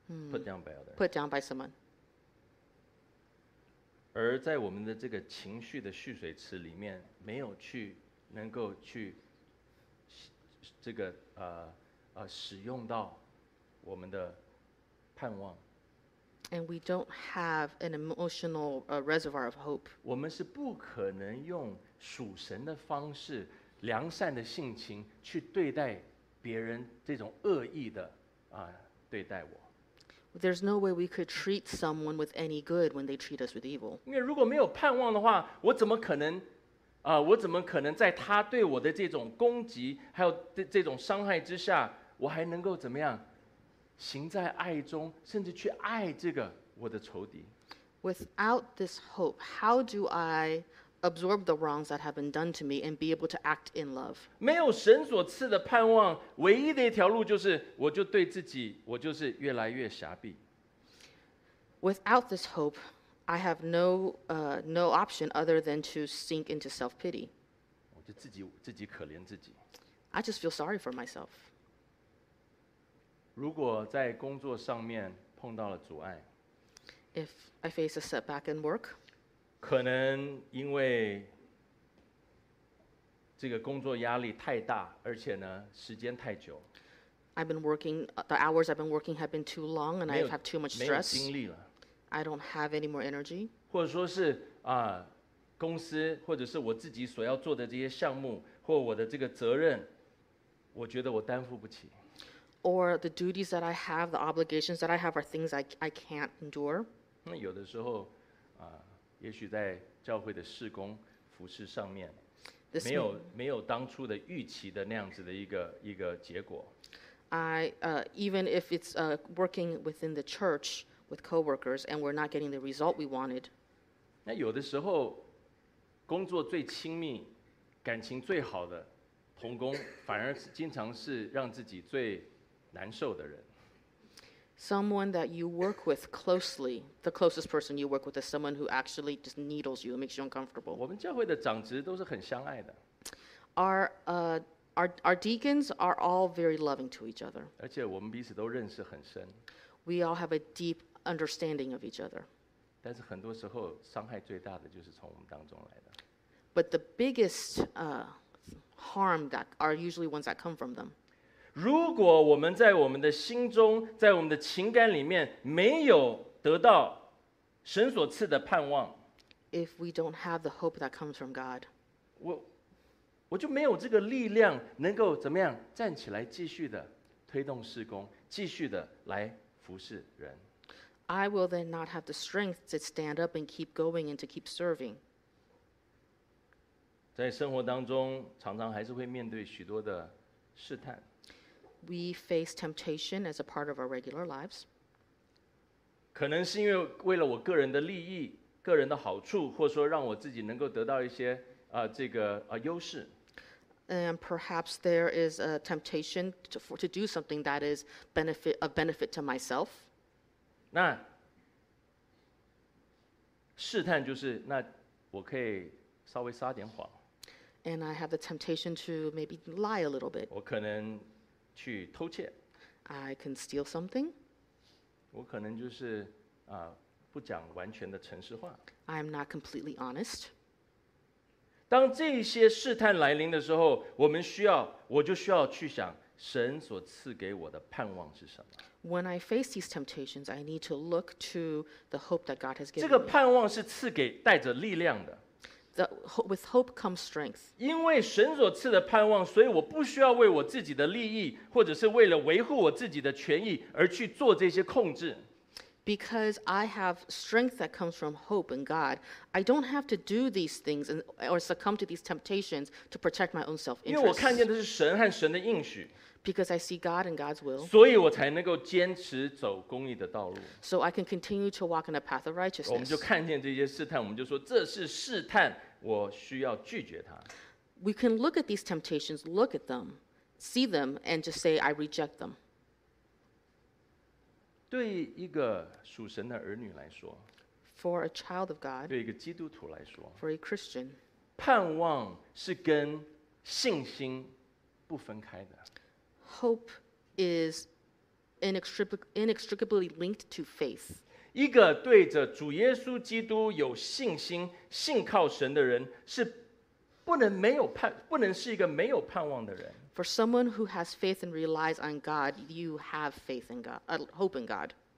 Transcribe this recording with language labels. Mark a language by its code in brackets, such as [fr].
[en] put down by someone, [zh] 而在我们的这个情绪的蓄水池里面，没有去能够去这个使用到我们的盼望 [en] ，and we don't have an emotional reservoir of hope. [zh] 我们是不可能用属神的方式、良善的性情去对待。别人这种恶意的对待我。 [en] There's no way we could treat someone with any good when they treat us with evil. [zh] 因为如果没有盼望的话，我怎么可能我怎么可能在他对我的这种攻击还有这种伤害之下，我还能够怎么样行在爱中，甚至去爱这个我的仇敌 [en] ？Without this hope, how do I? absorb the wrongs that have been done to me and be able to act in love. [zh] 没有神所赐的盼望，唯一的一条路就是，我就对自己，我就是越来越狭隘。 [en] Without this hope, I have no option other than to sink into self-pity. [zh] 我就自己可怜自己。 [en] I just feel sorry for myself. [zh] 如果在工作上面碰到了阻碍 [en] ，If I face a setback in work. [zh] 可能因为这个工作压力太大，而且呢，时间太久。 [en] I've been working, the hours I've been working have been too long, and I have too much stress. [zh] 没有精力了。 [en] I don't have any more energy. [zh] 或者说是公司或者是我自己所要做的这些项目或我的这个责任，我觉得我担负不起。 [en] Or the duties that I have, the obligations that I have are things I can't endure. [zh] 那有的时候。也许在教会的事工服事上面，没有当初的预期的那样子的一个结果。 [en] Even if it's working within the church with coworkers and we're not getting the result we wanted. [zh] 那有的时候，工作最亲密、感情最好的同工，反而经常是让自己最难受的人。 [en] Someone that you work with closely, the closest person you work with is someone who actually just needles you and makes you uncomfortable. [zh] 我们教会的长职都是很相爱的。 [en] Our deacons are all very loving to each other. [zh] 而且我们彼此都认识很深。 [en] We all have a deep understanding of each other. [zh] 但是很多时候伤害最大的就是从我们当中来的。 [en] But the biggest harm that are usually ones that come from them. [zh] 如果我们在我们的心中，在我们的情感里面没有得到神所赐的盼望 [en] ，If we don't have the hope that comes from God， [zh] 我就没有这个力量能够怎么样站起来继续的推动事工，继续的来服侍人。 [en] I will then not have the strength to stand up and keep going and to keep serving。 [zh] 在生活当中，常常还是会面对许多的试探。 [en] We face temptation as a part of our regular lives. [zh] 可能是因为为了我个人的利益、个人的好处，或者说让我自己能够得到一些优势。 [en] And perhaps there is a temptation to do something that is a benefit to myself. [zh] 那试探就是那我可以稍微撒点谎。 [en] And I have the temptation to maybe lie a little bit. [zh] 我可能去偷窃。 [en] I can steal something. [zh] 我可能就是不讲完全的诚实话。 [en] I'm not completely honest. [zh] 当这些试探来临的时候，我们需要，我就需要去想神所赐给我的盼望是什么。 [en] When I face these temptations, I need to look to the hope that God has given me. [zh] 这个盼望是赐给带着力量的。 [en] The, with hope comes strength. [zh] 因为神所赐的盼望，所以我不需要为我自己的利益，或者是为了维护我自己的权益而去做这些控制。 [en] Because I have strength that comes from hope in God, I don't have to do these things and, or succumb to these temptations to protect my own self-interest. [zh] 因为我看见的是神和神的应许。 [en] Because I see God and God's will. [zh] 所以我才能够坚持走公义的道路。 [en] So I can continue to walk in a path of righteousness. [zh] 我们就看见这些试探，我们就说这是试探，我需要拒绝它。 [en] We can look at these temptations, look at them, see them, and just say, I reject them. [zh] 对一个属神的儿女来说， [en] For a child of God, [zh] 对一个基督徒来说， [en] For a Christian, [zh] 盼望是跟信心不分开的。 [en] Hope is inextricably linked to faith. [zh] 一个对着主耶稣基督有信心、信靠神的人，是不能没有盼，不能是一个没有盼望的人。 [en] For someone who has faith and relies on God, you have faith in God, hope in God.